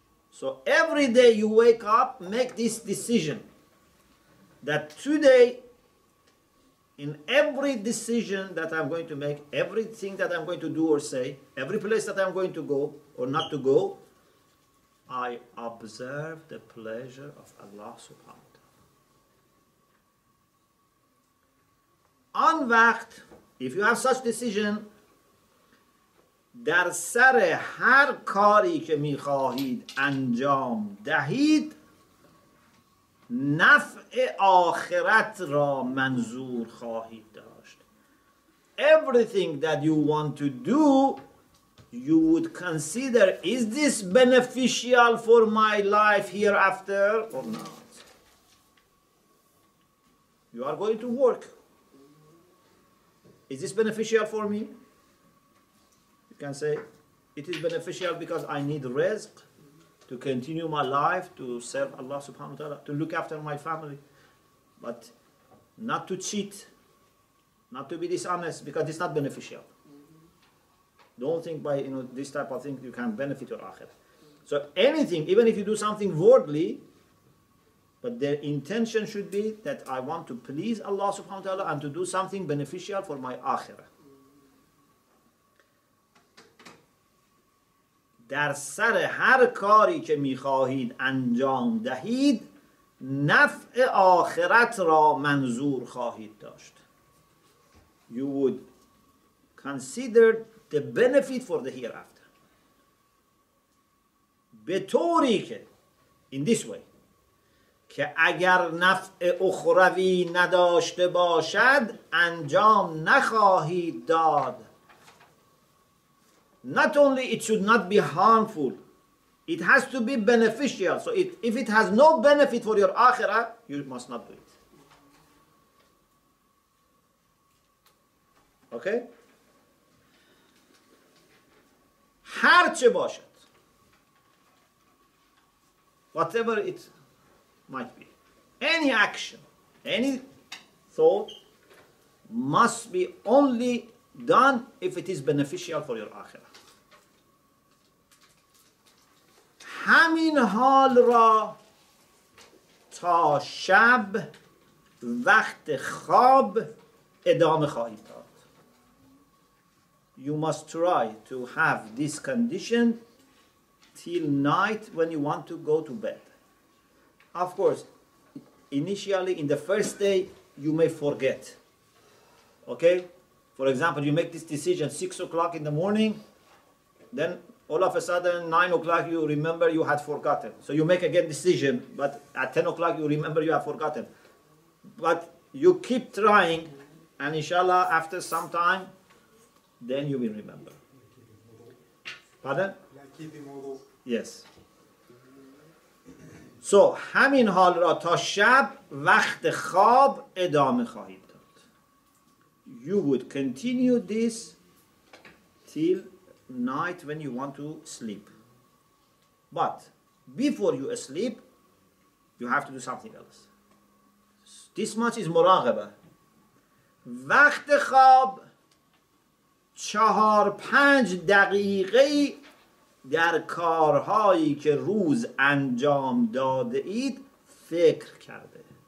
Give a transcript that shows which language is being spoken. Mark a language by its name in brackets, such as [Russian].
[English] So every day you wake up, make this decision that today, in every decision that I'm going to make, everything that I'm going to do or say, every place that I'm going to go or not to go, I observe the pleasure of Allah subhanahu wa ta'ala. On waqt, if you have such decision, [Persian] در سر هر کاری که می خواهید انجام دهید نفع آخرت را منظور خواهید داشت. [English] Everything that you want to do, you would consider, is this beneficial for my life hereafter or not? You are going to work. Is this beneficial for me? Can say it is beneficial because I need rizq to continue my life, to serve Allah subhanahu wa ta'ala, to look after my family, but not to cheat, not to be dishonest, because it's not beneficial. Don't think by, you know, this type of thing you can benefit your akhirah. So anything, even if you do something worldly, but the intention should be that I want to please Allah subhanahu wa ta'ala and to do something beneficial for my akhirah. [Persian] در سر هر کاری که می‌خواهید انجام دهید نفع آخرت را منظور خواهید داشت. [English] You would consider the benefit for the hereafter. [Persian] به طوری که, [English] in this way, [Persian] که اگر نفع اخروی نداشته باشد انجام نخواهید داد. [English] Not only it should not be harmful, it has to be beneficial. So it, if it has no benefit for your akhirah, you must not do it. Okay? [Persian] Har che bashad, [English] whatever it might be, any action, any thought must be only done if it is beneficial for your akhirah. [Persian] همین حال را تا شب وقت خواب ادامه خواهید داد. [English] You must try to have this condition till night when you want to go to bed. Of course, initially in the first day you may forget. Okay? For example, you make this decision 6 o'clock in the morning, then all of a sudden, 9 o'clock, you remember you had forgotten. So you make again decision, but at 10 o'clock, you remember you have forgotten. But you keep trying, and inshallah, after some time, then you will remember. Pardon? Yes. [Persian] So, همین حال را تا شب وقت خواب ادامه خواهید داد. [English] You would continue this till night when you want to sleep. But before you sleep, you have to do something else. This much is muraqabah. [Persian] وقت خواب 4-5 دقیقه در کارهایی که روز انجام داده اید فکر کرده.